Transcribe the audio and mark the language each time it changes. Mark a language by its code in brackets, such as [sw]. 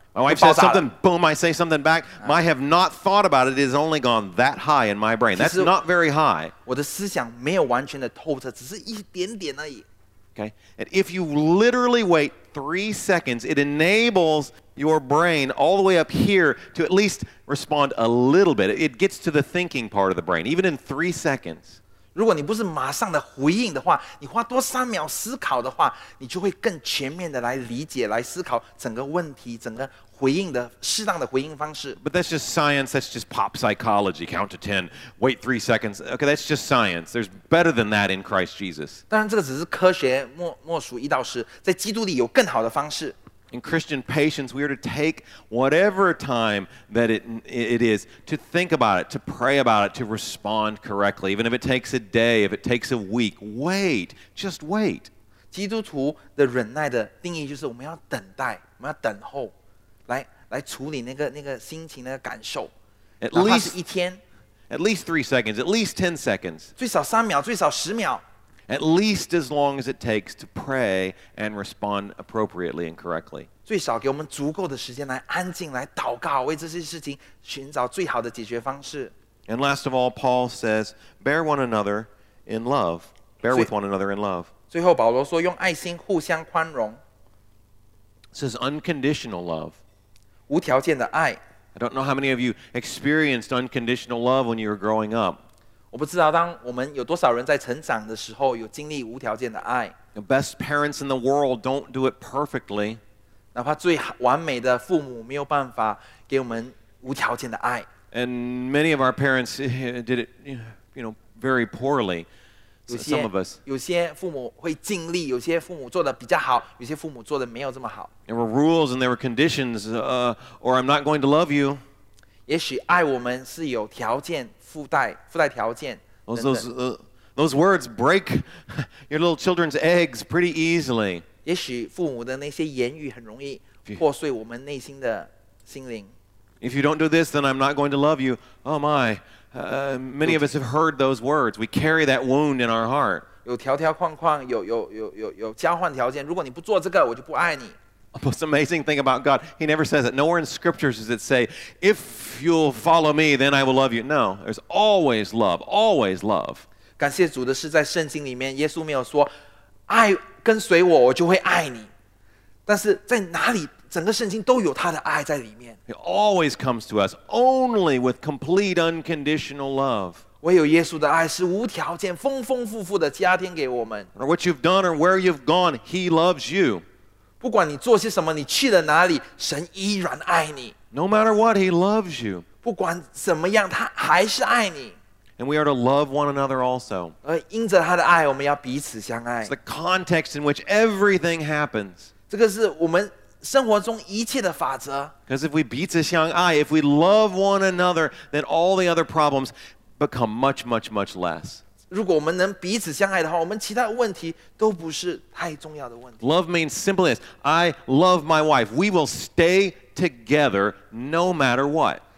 [en] My wife says something, boom, I say something back. I have not thought about it. It has only gone that high in my brain. That's not very high. [zh] 我的思想没有完全的透彻，只是一点点而已。 [en] Okay. And if you literally wait 3 seconds, it enables your brain all the way up here to at least respond a little bit. It gets to the thinking part of the brain, even in 3 seconds. [zh] 如果你不是马上的回应的话，你花多3秒思考的话，你就会更全面的来理解、来思考整个问题、整个回应的适当的回应方式。 [en] But that's just science. That's just pop psychology. Count to 10. Wait 3 seconds. Okay, that's just science. There's better than that in Christ Jesus. [zh] 当然，这个只是科学默数一到十，在基督里有更好的方式。 [en] In Christian patience, we are to take whatever time that it is to think about it, to pray about it, to respond correctly. Even if it takes a day, if it takes a week, wait, just wait. [zh] 基督徒的忍耐的定义就是我们要等待，我们要等候，来处理那个心情、那个感受。 [en] At least [zh] 一天。 [en] At least 3 seconds. At least 10 seconds. [zh] 最少3秒，最少10秒。 [en] At least as long as it takes to pray and respond appropriately and correctly. [zh] 最少给我们足够的时间来安静来祷告，为这些事情寻找最好的解决方式。 [en] And last of all, Paul says, "Bear one another in love. Bear with one another in love." [zh] 最后，保罗说用爱心互相宽容。 [en] This is unconditional love. [zh] 无条件的爱。 [en] I don't know how many of you experienced unconditional love when you were growing up. [zh] 我不知道当我们有多少人在成长的时候有经历无条件的爱。 [en] The best parents in the world don't do it perfectly. [zh] 哪怕最完美的父母没有办法给我们无条件的爱。 [en] And many of our parents did it, you know, very poorly. Some of us. [zh] 有些父母会尽力，有些父母做的比较好，有些父母做的没有这么好。 [en] There were rules and there were conditions, or I'm not going to love you. [zh] 也许爱我们是有条件附带条件等等。 [en] Those words break your little children's eggs pretty easily. [zh] 也许父母的那些言语很容易破碎我们内心的心灵。 [en] If you don't do this, then I'm not going to love you. Oh my, many of us have heard those words. We carry that wound in our heart. [zh] 有条条框框，有交换条件。如果你不做这个，我就不爱你。 [en] The most amazing thing about God, He never says it. Nowhere in scriptures does it say, if you'll follow me, then I will love you. No, there's always love, always love. [zh] 感谢主的是在圣经里面，耶稣没有说，爱跟随我，我就会爱你。但是在哪里？整个圣经都有他的爱在里面。 [en] He always comes to us only with complete unconditional love. [zh] 唯有耶稣的爱是无条件、丰丰富富的加添给我们。 [en] Or what you've done or where you've gone, He loves you. [zh] 不管你做些什么，你去了哪里，神依然爱你。 [en] No matter what, He loves you. [zh] 不管怎么样，他还是爱你。 [en] And we are to love one another also. [zh] 而因着他的爱，我们要彼此相爱。 [en] It's the context in which everything happens. [zh] 这个是我们。生活中一切的法则。 [en] Because if we [zh] 彼此相爱, [en] if we love one another, then all the other problems become much, much, much less. [zh] 如果我们能彼此相爱的话，我们其他问题都不是太重要的问题。 [en] Love means simply this: I love my wife. We will stay together no matter what.